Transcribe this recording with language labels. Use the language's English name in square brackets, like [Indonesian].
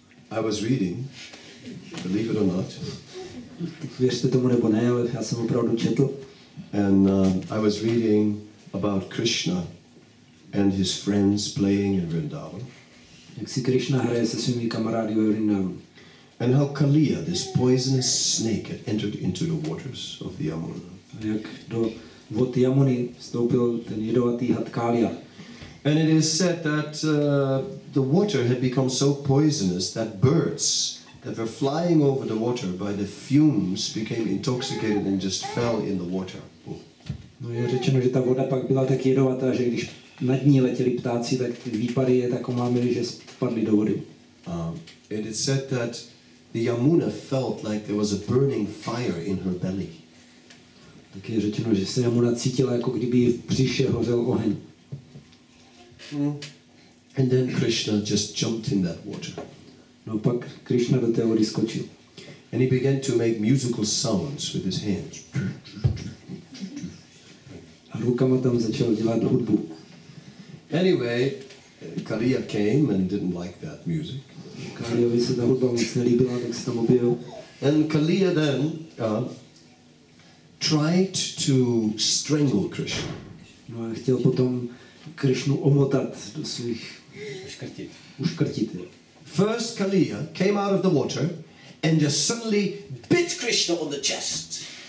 [English] I was reading, believe it or not. [Czech] Věřte tomu nebo ne, ale já jsem opravdu četl. [English] And I was reading about Krishna and his friends playing in Vrindavan. [Czech] Jak si Krishna hraje se svými kamarády ve Vrindavan. [English] And how Kaliya, this poisonous snake, had entered into the waters of the Yamuna. [Czech] A jak do vod Yamuny vstoupil ten jedovatý had Kaliya. [English] And it is said that the water had become so poisonous that birds that were flying over the water by the fumes became intoxicated and just fell in the water. [Czech] No je řečeno, že ta voda pak byla tak jedovatá, že když nad ní letěli ptáci, tak ty výpady je tak omámili, že spadli do vody. [English] It is said that the Yamuna felt like there was a burning fire in her belly. [Czech] Tak je řečeno, že se Yamuna cítila, jako kdyby v břiše hořel oheň. [English] And then Krishna just jumped in that water. [Czech] No pak Krishna do té vody skočil. [English] And he began to make musical sounds with his hands. [Czech] A rukama tam začal dělat hudbu. [English] Anyway, Kaliya came and didn't like that music. [Czech] Kaliyovi se ta hudba moc nelíbila, tak se tam objevil. [English] And Kaliya then tried to strangle Krishna. [Czech] No a chtěl potom Krishnu omotat do svých... Uškrtit. [English] First Kaliya came out of the water and just suddenly bit Krishna on the chest.